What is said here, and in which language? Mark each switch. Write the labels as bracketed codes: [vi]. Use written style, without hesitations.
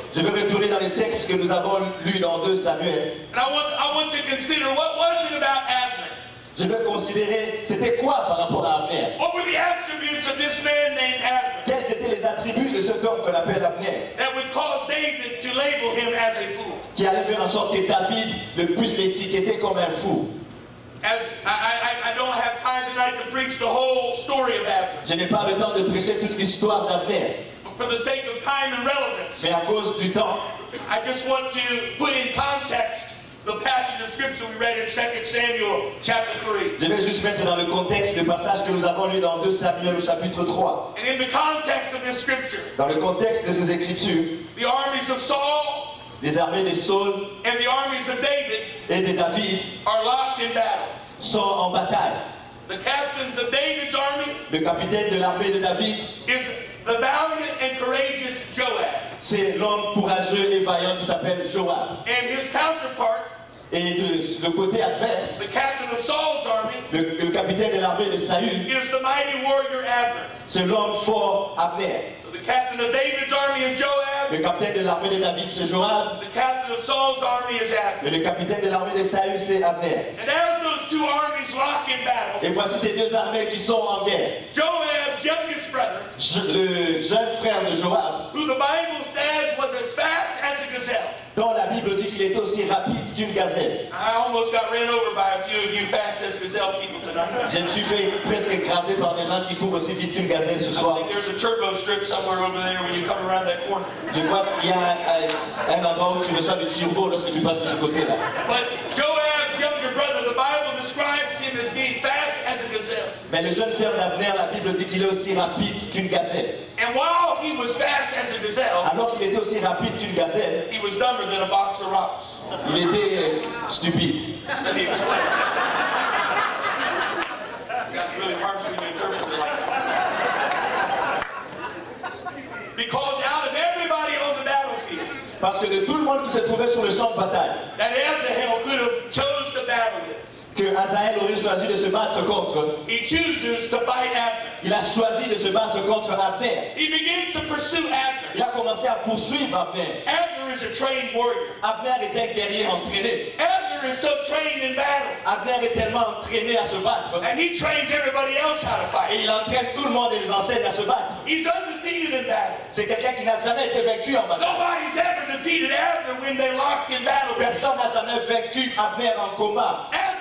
[fr] Je vais retourner dans les textes que nous avons lus dans 2 Samuel. [en] And I want to consider what was it about Abner. [fr] Je vais considérer c'était quoi par rapport à Abner. [en] What were the attributes of this man named Abner? [fr] Quels étaient les attributs de cet homme qu'on appelle Abner? [en] That would cause David to label him as a fool. [fr] Qui allait faire en sorte que David le puisse l'étiqueter comme un fou. [en] I don't have time tonight to preach the whole story of Abner. [fr] Je n'ai pas le temps de prêcher toute l'histoire d'Abner. [en] For the sake of time and relevance. [fr] Mais à cause du temps. [en] I just want to put in context the passage of scripture we read in 2 Samuel chapter 3. [fr] Je vais juste mettre dans le contexte le passage que nous avons lu dans 2 Samuel chapitre 3. [en] And in the context of this scripture. [fr] Dans le contexte de ces écritures. [en] The armies of Saul. [fr] Les armées de Saul [en] and the armies of David [fr] et de David [en] are locked in battle. [fr] Sont en bataille. [en] The captains of David's army, [fr] le capitaine de l'armée de David, [en] is the valiant and courageous Joab. [fr] C'est l'homme courageux et vaillant qui s'appelle Joab. [en] And his counterpart, [fr] et de le côté adverse, [en] the captain of Saul's army, [fr] le capitaine de l'armée de Saül, [en] is the mighty warrior Abner. [fr] C'est l'homme fort Abner. [en] The captain of David's army is Joab. [fr] Le capitaine de l'armée de David, c'est Joab. [en] The captain of Saul's army is Abner. [fr] Et le capitaine de l'armée de Saül, c'est Abner. [en] And as those two armies lock in battle. [fr] Et voici ces deux armées qui sont en guerre. [en] Joab's youngest brother. [fr] Le jeune frère de Joab. [en] Who the Bible says was as fast as a gazelle. [fr] Dont la Bible dit qu'il est aussi rapide qu'une gazelle. [en] I almost got ran over by a few of you fast as gazelle people tonight. [fr] Je me suis fait presque écraser par des gens qui courent aussi vite qu'une gazelle ce soir. [en] I think there's a turbo strip somewhere over there when you come around that corner. [fr] Je crois qu'il y a un endroit où tu reçois du turbo lorsque tu passes de ce côté-là. [en] But Joab's younger brother, the Bible describes him as being fast as a gazelle. [fr] Mais le jeune frère d'Abner, la Bible dit qu'il est aussi rapide qu'une gazelle. [en] And while he was fast as a gazelle, [fr] alors qu'il était aussi rapide qu'une gazelle, [en] he was dumber than a box of rocks. [fr] Il était stupide. [en] Let me explain. That's really hard for me to interpret it like that. Because out of everybody on the battlefield, [fr] parce que de tout le monde qui se trouvait sur le champ de bataille, [en] that Azahel could have chose to battle with, [fr] que Azahel aurait choisi de se battre contre. [en] He chooses to fight Abner. [fr] Il a choisi de se battre contre Abner. [en] He begins to pursue Abner. [fr] Il a commencé à poursuivre Abner. [en] Abner is a trained warrior. [fr] Abner est un guerrier entraîné. [en] Abner is so trained in battle. [fr] Abner est tellement entraîné à se battre. [en] And he trains everybody else how to fight. [fr] Et il entraîne tout le monde et les enseigne à se battre. [en] He's undefeated in battle. [fr] C'est quelqu'un qui n'a jamais été vaincu en bataille. [en] Nobody's ever defeated Abner when they locked in battle. [fr] Personne n'a jamais vaincu Abner en combat.